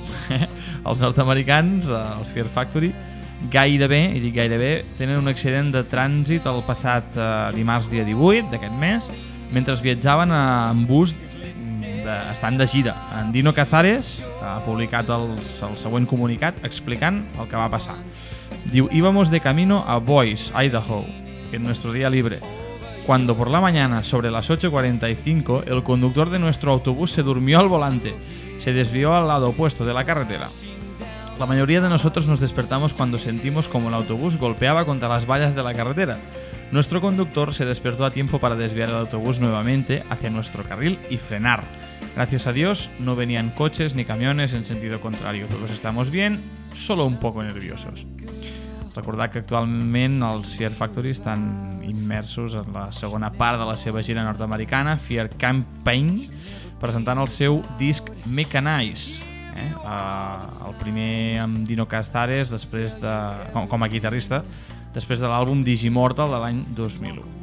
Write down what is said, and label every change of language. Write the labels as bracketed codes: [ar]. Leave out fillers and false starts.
[ca] Els nord-americans, els Fear Factory, gairebé, tenen un accident de trànsit el passat dimarts, dia 18 d'aquest mes, mentre viatjaven en bus estant de gira. En Dino Cazares ha publicat el següent comunicat explicant el que va passar. [es] Diu: "Íbamos de camino a Boise, Idaho, en nuestro día libre, cuando por la mañana, sobre las 8:45, el conductor de nuestro autobús se durmió al volante. Se desvió al lado opuesto de la carretera. La mayoría de nosotros nos despertamos cuando sentimos como el autobús golpeaba contra las vallas de la carretera. Nuestro conductor se despertó a tiempo para desviar el autobús nuevamente hacia nuestro carril y frenar. Gracias a Dios, no venían coches ni camiones en sentido contrario. Todos estamos bien, solo un poco nerviosos." [ca] Recordar que actualment els Fear Factory estan immersos en la segona part de la seva gira nord-americana, Fear Campaign, presentant el seu disc Mechanized. El primer amb Dino Cazares, després de com a guitarrista, després de l'àlbum Digimortal de l'any 2001.